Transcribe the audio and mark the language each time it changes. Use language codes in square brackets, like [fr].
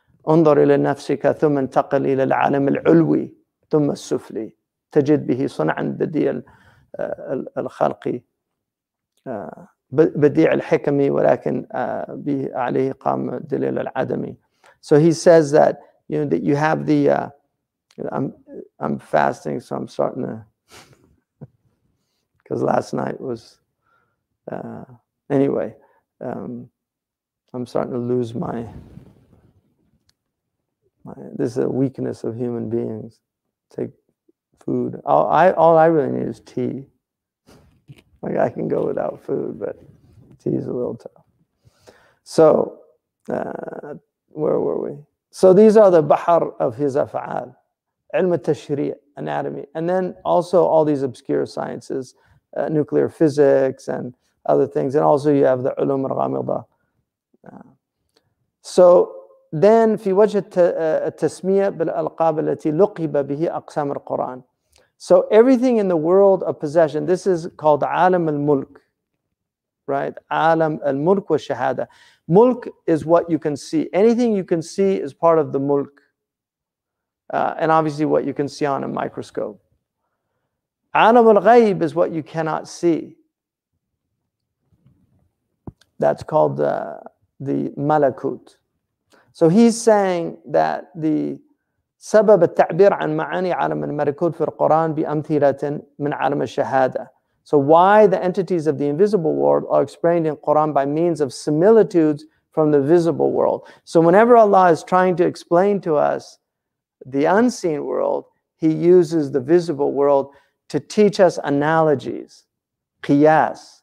[ar] انظر إلى نفسك ثم انتقل إلى العالم العلوي ثم السفلي تجد به صنعا بديع الخلقي بديع الحكمي ولكن عليه قام دليل العدمي. [en] So he says that, you know, that you have the I'm fasting, so I'm starting to because last night was anyway, I'm starting to lose my this is a weakness of human beings. Take food. All I really need is tea. Like I can go without food, but tea is a little tough. So where were we? So these are the bahar of his af'al. [ar] علم التشريع, anatomy. [en] And then also all these obscure sciences, nuclear physics and other things. And also you have the ulum al-ghamidah. So then, [ar] في وجه التسمية بالألقاب التي لقب به أقسام القرآن. [en] So everything in the world of possession, this is called عالم الملك, right? [ar] عالم الملك والشهادة. [en] Mulk is what you can see. Anything you can see is part of the mulk. And obviously what you can see on a microscope. عالم الغيب is what you cannot see. That's called the malakut. So he's saying that the [ar] سبب التعبير عن معاني عالم الملكوت في القرآن بأمثلة من عالم الشهادة. [en] So why the entities of the invisible world are explained in Quran by means of similitudes from the visible world. So whenever Allah is trying to explain to us the unseen world, He uses the visible world to teach us analogies, qiyas.